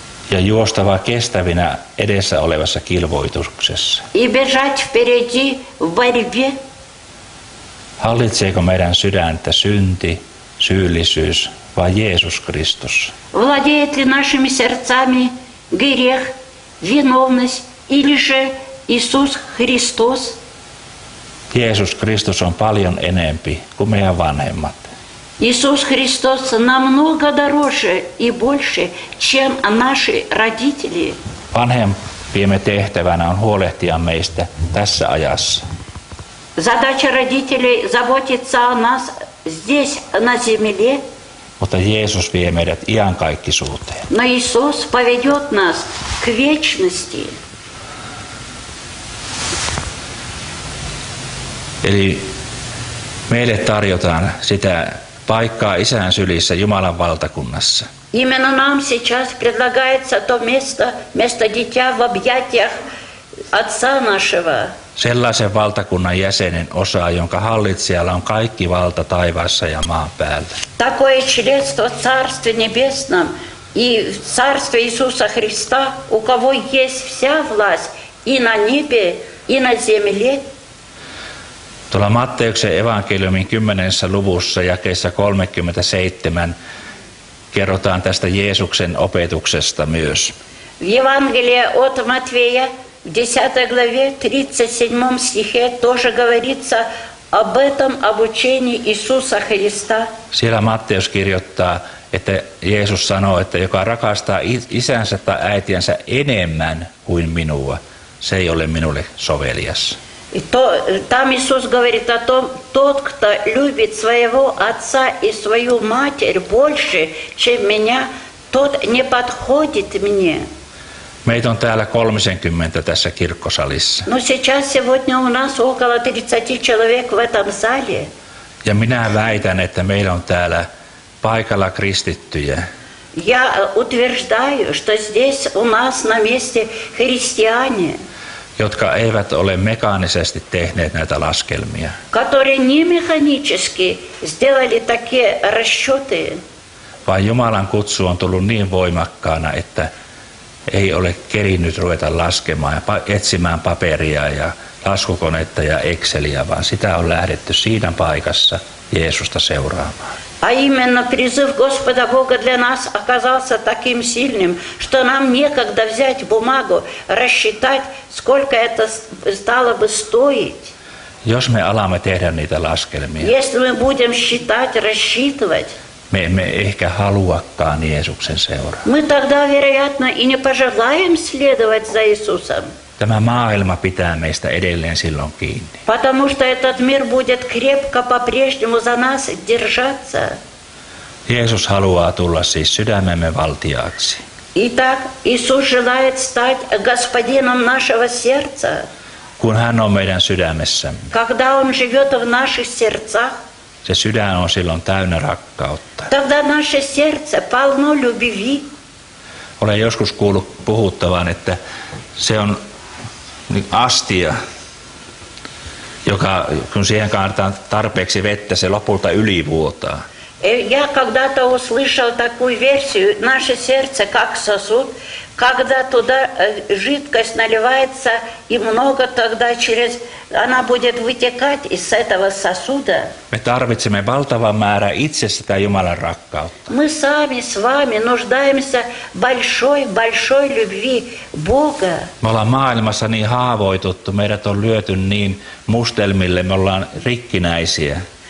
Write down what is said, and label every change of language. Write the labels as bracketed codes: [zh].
[fi] Ja juostava kestävinä edessä olevassa kilvoituksessa. [ru] И бежать впереди в борьбе. [fi] Hallitseeko meidän sydäntä synti, syyllisyys vai Jeesus Kristus? [ru] Владеет ли нашими сердцами грех, виновность или же Иисус Христос? [fi] Jeesus Kristus on paljon enempi kuin meidän vanhemmat. [ru] Иисус Христос намного дороже и больше, чем наши родители. [fi] Vanhempiemme tehtävänä on huolehtia meistä tässä ajassa. [ru] Задача родителей – заботиться о нас здесь, на земле. [fi] Mutta Jeesus vie meidät iankaikkisuuteen. [ru] Но Иисус поведет нас к вечности. [fi] Eli meille tarjotaan sitä paikkaa isän sylissä Jumalan valtakunnassa. [ru] Именно нам сейчас предлагается то место, место дитя в объятиях отца нашего. [fi] Sellaisen valtakunnan jäsenen osaa, jonka hallitsijalla on kaikki valta taivaassa ja maan päällä. [ru] Такое членство в Царстве Небесном и в Царстве Иисуса Христа, у кого есть вся власть и на небе, и на земле. [fi] Tuolla Matteuksen evankeliumin 10. luvussa jakeessa 37 kerrotaan tästä Jeesuksen opetuksesta myös. [ru] В Евангелии от Матфея, 10 главе, 37 стихе, тоже говорится об этом обучении Иисуса Христа. [fi] Siellä Matteus kirjoittaa, että Jeesus sanoo, että joka rakastaa isänsä tai äitiänsä enemmän kuin minua, se ei ole minulle sovelias. [ru] И то, там Иисус говорит о том, тот, кто любит своего отца и свою матерь больше, чем меня, тот не подходит мне. [fi] Meitä on täällä 30 tässä kirkkosalissa. [ru] Но сейчас сегодня у нас около 30 человек в этом зале. [fi] Ja minä väitän, että meillä on täällä paikalla kristittyjä. [ru] Я утверждаю, что здесь у нас на месте христиане. [fi] Jotka eivät ole mekaanisesti tehneet näitä laskelmia. [ru] Которые не механически сделали такие расчеты. [fi] vaan Jumalan kutsu on tullut niin voimakkaana, että ei ole kerinnyt ruveta laskemaan ja etsimään paperia ja laskukonetta ja Exceliä, vaan sitä on lähdetty siinä paikassa Jeesusta seuraamaan. [ru] А именно призыв Господа Бога для нас оказался таким сильным, что нам некогда взять бумагу, рассчитать, сколько это стало бы стоить. [fi] Jos me alamme tehdä niitä laskelmia. [ru] Если мы будем считать, рассчитывать. [fi] Me emme ehkä haluakaan Jeesuksen seuraa. [ru] Мы тогда, вероятно, и не пожелаем следовать за Иисусом. [fi] Tämä maailma pitää meistä edelleen silloin kiinni. [ru] Потому что этот мир будет крепко по-прежнему за нас держаться. [fi] Jeesus haluaa tulla siis sydämemme valtiaksi. [ru] Итак, Иисус желает стать господином нашего сердца. [fi] Kun hän on meidän sydämessämme. [ru] Когда он живет в наших сердцах. [fi] Se sydän on silloin täynnä rakkautta. [ru] Тогда наше сердце полно любви. [fi] Olen joskus kuullut puhuttavan, että se on astia, joka kun siihen kannetaan tarpeeksi vettä, se lopulta ylivuotaa. [ru] Я когда-то услышал такую версию: наше сердце как сосуд, когда туда жидкость наливается и много, тогда через она будет вытекать из этого сосуда. [fi] Me tarvitsemme valtavan määrän itse sitä Jumalan rakkautta. [ru] Мы сами с вами нуждаемся большой любви Бога. [fi] Me ollaan maailmassa niin haavoituttu, meidät on lyöty niin mustelmille, me ollaan rikkinäisiä.